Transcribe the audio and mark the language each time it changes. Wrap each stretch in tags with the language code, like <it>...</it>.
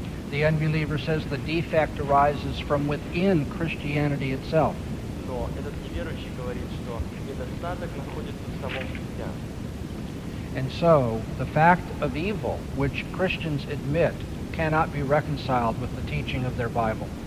<en>The unbeliever says the defect arises from within Christianity itself.</en> <ru>Но этот неверующий говорит, что недостаток находится в самом христианстве.</ru> <en>And so, the fact of evil, which Christians admit, cannot be reconciled with the teaching of their Bible.</en>